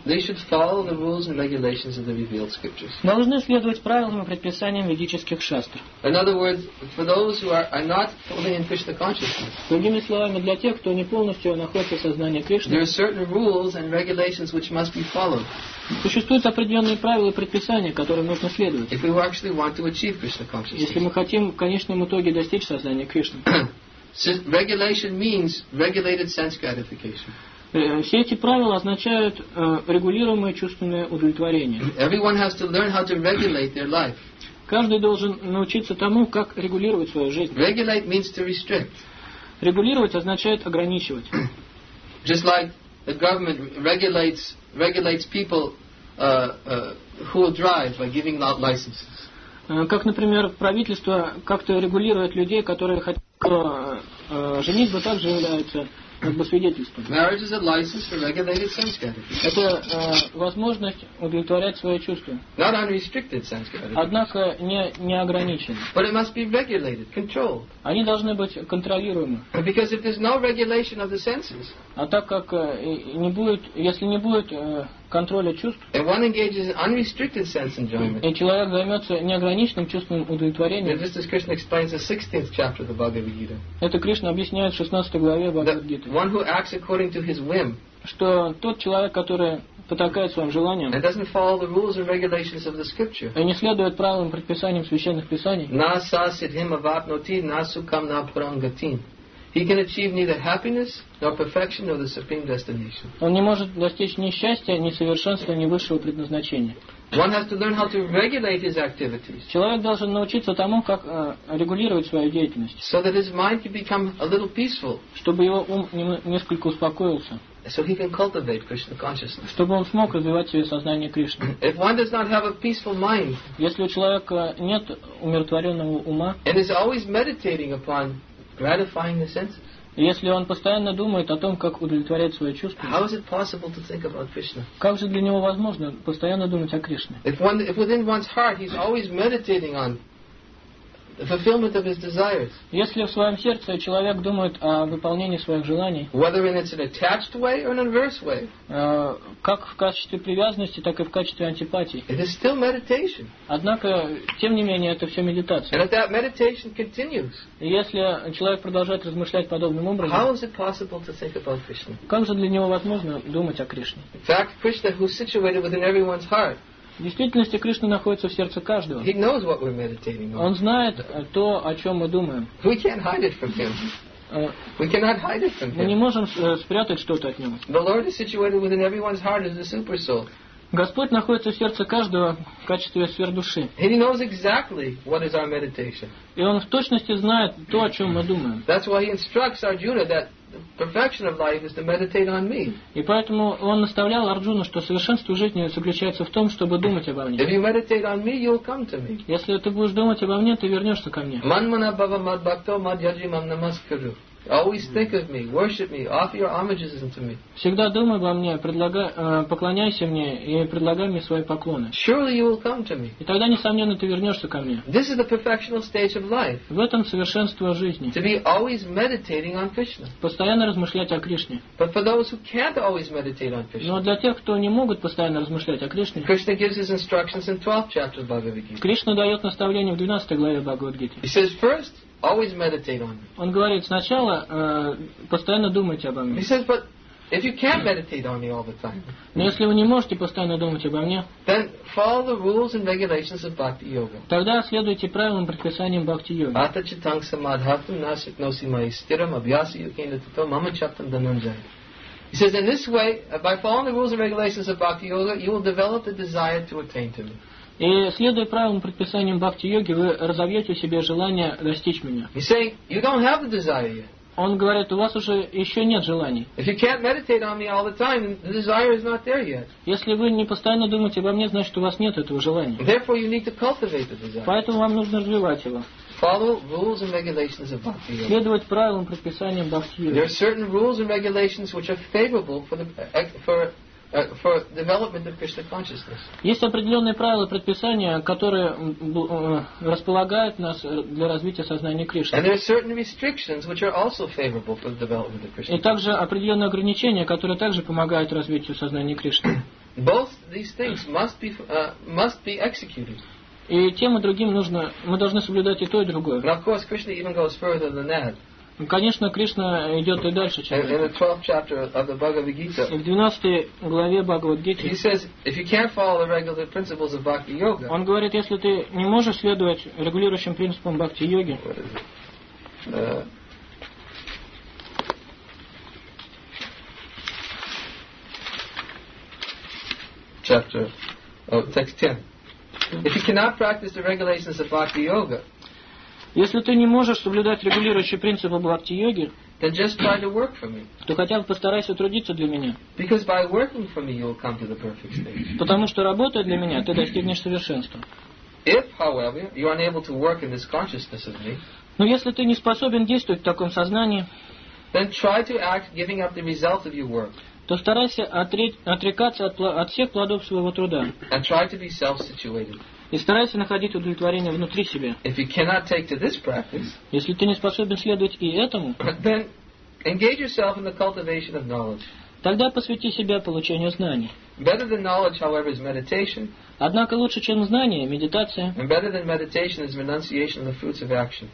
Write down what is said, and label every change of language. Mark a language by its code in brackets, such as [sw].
[en] they should follow the rules and regulations of the revealed scriptures. [ru] Должны следовать правилам и предписаниям ведических шастр. [en] In other words, for those who are not fully in Krishna consciousness, [ru] другими словами, для тех, кто не полностью находится в сознании Кришны, [en] there are certain rules and regulations which must be followed. [ru] Существуют определенные правила и предписания, которым нужно следовать. [en] If we actually want to achieve Krishna consciousness. [ru] Если мы хотим в конечном итоге достичь сознания Кришны. [en] Regulation means regulated sense gratification. [ru] Все эти правила означают регулируемое чувственное удовлетворение. [en] Everyone has to learn how to regulate their life. [ru] Каждый должен научиться тому, как регулировать свою жизнь. [en] Regulate means to restrict. [ru] Регулировать означает ограничивать. [en] Just like the government regulates people who will drive by giving out licenses. [ru] Как, например, правительство как-то регулирует людей, которые хотят женить, вот так же являются как бы свидетельством. [en] Marriage is a license for regulated sense gratification. [ru] Это возможность удовлетворять свои чувства. [en] Not unrestricted sense gratification. [ru] Однако не ограниченные. [en] But it must be regulated, controlled. [ru] Они должны быть контролируемы. [en] Because if there's no regulation of the senses, [ru] а так как не будет, если не будет контроля чувств, [en] and one engages in unrestricted sense enjoyment, [ru] и человек займется неограниченным чувственным удовлетворением, [en] and this is Krishna explains the 16th chapter of the Bhagavad Gita. [ru] Это Кришна объясняет в 16 главе Бхагавад Гиты. [en] One who acts according to his whim, [ru] что тот человек, который потакает своим желанием, [en] and doesn't follow the rules and regulations of the scripture, [ru] и не следует правилам и предписаниям священных писаний, [sa] na sa siddhim avapnoti na sukham na puram gatim, [en] he can achieve neither happiness nor perfection nor the supreme destination. [ru] Он не может достичь ни счастья, ни совершенства, ни высшего предназначения. [en] One has to learn how to regulate his activities. [ru] Человек должен научиться тому, как регулировать свою деятельность, [en] so that his mind can become a little peaceful, [ru] чтобы его ум несколько успокоился, [en] so he can cultivate Krishna consciousness, [ru] чтобы он смог развивать свое сознание Кришны. [en] If one does not have a peaceful mind, [ru] если у человека нет умиротворенного ума, [en] and is always meditating upon gratifying the senses, [ru] если он постоянно думает о том, как удовлетворять свои чувства, [en] how is it possible to think about Krishna? [ru] Как же для него возможно постоянно думать о Кришне? [en] If within one's heart he's always meditating on the fulfillment of his desires, [ru] если в своем сердце человек думает о выполнении своих желаний, [en] whether in its an attached way or an inverse way, [ru] как в качестве привязанности, так и в качестве антипатии, [en] it is still meditation. [ru] Однако, тем не менее, это все медитация. [en] And if that meditation continues, [ru] если человек продолжает размышлять подобным образом, [en] how is it possible to think about Krishna? [ru] Как же для него возможно думать о Кришне? [en] In fact, Krishna, who is situated within everyone's heart, [ru] в действительности Кришна находится в сердце каждого. [en] He knows what we're meditating on. [ru] Он знает то, о чем мы думаем. [en] We can't hide it from him. We cannot hide it from him. [ru] Мы не можем спрятать что-то от него. [en] The Lord is situated within everyone's heart as the super soul. [ru] Господь находится в сердце каждого в качестве сверхдуши. [en] He knows exactly what is our meditation. [ru] И он в точности знает то, о чем мы думаем. [en] That's why he instructs Arjuna that the perfection of life is to meditate on me. [ru] И поэтому он наставлял Арджуну, что совершенство жизни заключается в том, чтобы думать обо мне. [en] If you meditate on me, you'll come to me. [ru] Если ты будешь думать обо мне, ты вернешься ко мне. [sa] Манмана бхава мад бхакто мад яджи мам намаскару. [en] Always think of me, worship me, offer your homages unto me. [ru] Всегда думай обо мне, поклоняйся мне и предлагай мне свои поклоны. [en] Surely you will come to me. [ru] И тогда несомненно ты вернешься ко мне. [en] This is the perfectional stage of life. [ru] В этом совершенство жизни. [en] To be always meditating on Krishna. [ru] Постоянно размышлять о Кришне. [en] But for those who can't always meditate on Krishna. [ru] Но для тех, кто не могут постоянно размышлять о Кришне. [en] Krishna gives his instructions in 12th chapter of Bhagavad Gita. [ru] Кришна дает наставление в 12 главе Бхагавад Гиты. [en] He says first. Always meditate on me. [ru] Он говорит сначала постоянно думайте обо мне. [en] He says, but if you can't meditate on me all the time. [ru] Но если вы не можете постоянно думать обо мне. [en] Then follow the rules and regulations of bhakti yoga. [ru] Тогда следуйте правилам предписаниям бхакти йоги. [sa] Ата читанг самадхатам насит носи майстирам абьяси юкина тато мама чаттам дананджай. [en] He says in this way, by following the rules and regulations of bhakti yoga, you will develop the desire to attain to me. [ru] И следуя правилам и предписаниям бхакти-йоги, вы разовьете в себе желание достичь меня. [en] You say, you don't have the desire yet. [ru] Он говорит, у вас уже еще нет желаний. Если вы не постоянно думаете обо мне, значит, у вас нет этого желания. [en] Therefore, you need to cultivate the desire. [ru] Поэтому вам нужно развивать его. [en] Follow rules and regulations of bhakti-yoga. [ru] Следовать правилам и предписаниям бхакти-йоги. [en] There are certain rules and regulations which are favorable for development of Krishna consciousness. [ru] Есть определенные правила и предписания, которые располагают нас для развития сознания Кришны. [en] And there are certain restrictions which are also favorable for the development of Krishna. [ru] И также определенные ограничения, которые также помогают развитию сознания Кришны. [en] Both these things must be executed. [ru] И тем и другим нужно, мы должны соблюдать и то, и другое. [en] But of course, Krishna even goes further than that. [ru] Конечно, Кришна идет и дальше, чем [en] in the 12th chapter of the Bhagavad Gita. [ru] В 12 главе Бхагавад Гиты. [en] He says, if you can't follow the regular principles of bhakti yoga. [ru] Он говорит, если ты не можешь следовать регулирующим принципам бхакти йоги. [en] Chapter text 10. If you cannot practice the regulations of bhakti yoga. [ru] Если ты не можешь соблюдать регулирующие принципы бхакти-йоги, [en] then just try to work for me. [ru] То хотя бы постарайся трудиться для меня. [en] Because by working for me, you'll come to the perfect state. [ru] Потому что работая для меня, ты достигнешь совершенства. [en] If, however, you are unable to work in this consciousness of me, [ru] но если ты не способен действовать в таком сознании, [en] then try to act giving up the result of your work. [ru] То старайся отрекаться от всех плодов своего труда. [en] And try to be self-situated. [ru] И старайся находить удовлетворение внутри себя. [en] If you cannot take to this practice, [ru] если ты не способен следовать и этому, [en] then engage yourself in the cultivation of knowledge. [ru] Тогда посвяти себя получению знаний. [en] Better than knowledge, however, is meditation. [ru] Однако лучше, чем знание, медитация. [en] And better than meditation is renunciation of the fruits of action.